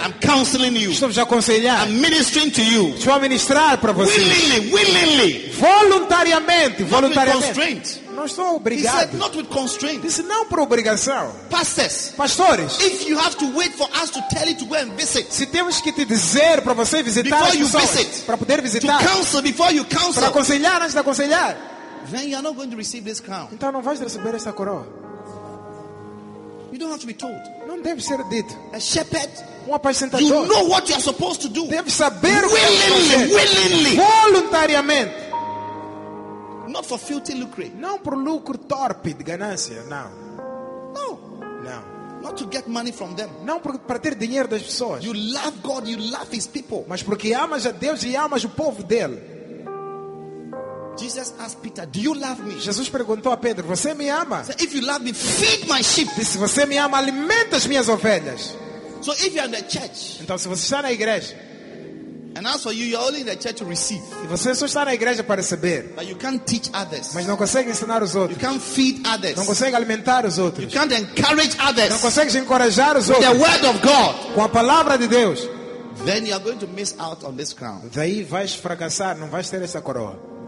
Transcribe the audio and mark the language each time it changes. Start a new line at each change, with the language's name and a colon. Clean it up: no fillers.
English: I'm counseling you.
Portuguese: Estou-vos a aconselhar.
English: I'm ministering to you.
Portuguese: Estou a ministrar para vocês.
English: Willingly, willingly.
Portuguese: Voluntariamente, voluntariamente.
English: Not with constraint.
Portuguese: Não estou obrigado.
English: He said not with constraint.
Portuguese: Disse não por obrigação.
English: Pastors,
Portuguese: pastores,
English: if you have to wait for us to tell you to go and visit,
Portuguese: se temos que te dizer para você visitar,
English: before you visit,
Portuguese: para poder visitar,
English: to counsel before you counsel,
Portuguese: para aconselhar antes de aconselhar,
English: then you are not going to receive this crown.
Portuguese: Então não vais receber essa coroa.
English: You don't have to be told.
Portuguese: Não deve ser dito.
English: A shepherd,
Portuguese: um apacentador,
English: you know what you are supposed to do.
Portuguese: Deve saber
English: willingly,
Portuguese: o que fazer.
English: Willingly,
Portuguese: voluntariamente.
English: Not for filthy lucre.
Portuguese: Não por lucro torpe de ganância, não.
English: No. No. Not to get money from them.
Portuguese: Não para ter dinheiro das pessoas.
English: You love God, you love his people.
Portuguese: Mas porque amas a Deus e amas o povo dele.
English: Jesus asked Peter, "Do you love me?"
Portuguese: Jesus perguntou a Pedro, "Você me ama?"
English: So if you love me, feed my sheep.
Portuguese: Se você me ama, alimenta as minhas ovelhas.
English: So if you are in the church,
Portuguese: então se você está na igreja,
English: and as for you, you are only in the church to receive.
Portuguese: E você só está na igreja para receber.
English: But you can't teach others.
Portuguese: Mas não consegue ensinar os outros.
English: You can't feed others.
Portuguese: Não consegue alimentar os outros.
English: You can't encourage others.
Portuguese: Não consegue encorajar os outros.
English: With the word of God.
Portuguese: Com a palavra de Deus.
English: Then you are going to miss out on this crown.
Portuguese: Daí vais fracassar, não vais ter essa coroa.